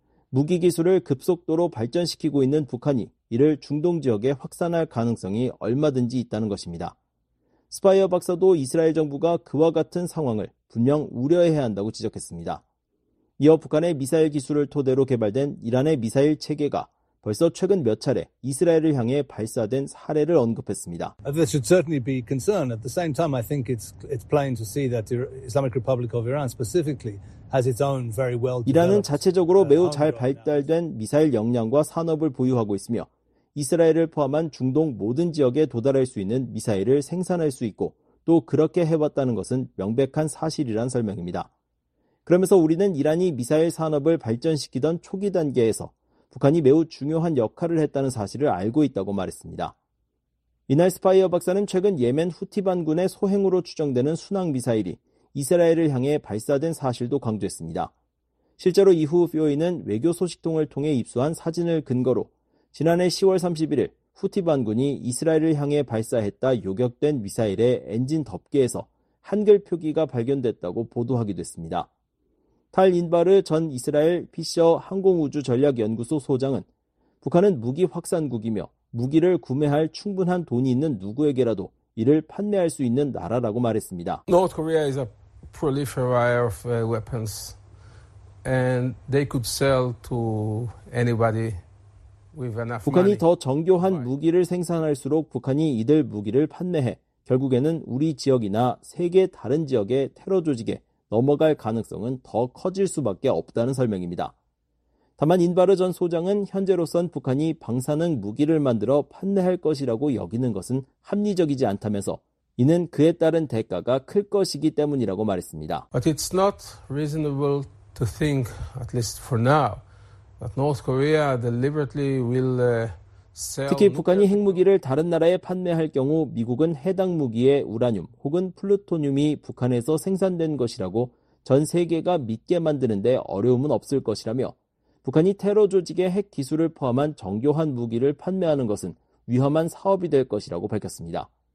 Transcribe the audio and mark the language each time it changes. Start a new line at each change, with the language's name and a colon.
Korean: 무기 기술을 급속도로 발전시키고 있는 북한이 이를 중동 지역에 확산할 가능성이 얼마든지 있다는 것입니다. 스파이어 박사도 이스라엘 정부가 그와 같은 상황을 분명 우려해야 한다고 지적했습니다. 이어 북한의 미사일 기술을 토대로 개발된 이란의 미사일 체계가 벌써 최근 몇 차례 이스라엘을 향해 발사된 사례를 언급했습니다.
English: There should certainly be concern. At the same time, I think it's plain to see that the Islamic Republic of Iran specifically has its own very well.
Korean: 이란은 자체적으로 매우 잘 발달된 미사일 역량과 산업을 보유하고 있으며 이스라엘을 포함한 중동 모든 지역에 도달할 수 있는 미사일을 생산할 수 있고 또 그렇게 해왔다는 것은 명백한 사실이란 설명입니다. 그러면서 우리는 이란이 미사일 산업을 발전시키던 초기 단계에서 북한이 매우 중요한 역할을 했다는 사실을 알고 있다고 말했습니다. 이날 스파이어 박사는 최근 예멘 후티반군의 소행으로 추정되는 순항미사일이 이스라엘을 향해 발사된 사실도 강조했습니다. 실제로 이후 BOA는 외교 소식통을 통해 입수한 사진을 근거로 지난해 10월 31일 후티반군이 이스라엘을 향해 발사했다 요격된 미사일의 엔진 덮개에서 한글 표기가 발견됐다고 보도하기도 했습니다. 탈 인바르 전 이스라엘 피셔 항공우주전략연구소 소장은 북한은 무기 확산국이며 무기를 구매할 충분한 돈이 있는 누구에게라도 이를 판매할 수 있는 나라라고 말했습니다.
English: North Korea is a proliferer of weapons and they could sell to anybody with enough money.
Korean: 북한이 더 정교한 무기를 생산할수록 북한이 이들 무기를 판매해 결국에는 우리 지역이나 세계 다른 지역의 테러 조직에 넘어갈 가능성은 더 커질 수밖에 없다는 설명입니다. 다만 인바르 전 소장은 현재로선 북한이 방사능 무기를 만들어 판매할 것이라고 여기는 것은 합리적이지 않다면서 이는 그에 따른 대가가 클 것이기 때문이라고 말했습니다.
English: But it's not reasonable to think, at least for now, that North Korea deliberately will
Korean: 특히 북한이 핵무기를 다른 나라에 판매할 경우 미국은 해당 무기에 우라늄 혹은 플루토늄이 북한에서 생산된 것이라고 전 세계가 믿게 만드는 데 어려움은 없을 것이라며 북한이 테러 조직의 핵 기술을 포함한 정교한 무기를 판매하는 것은 위험한 사업이 될 것이라고 밝혔습니다.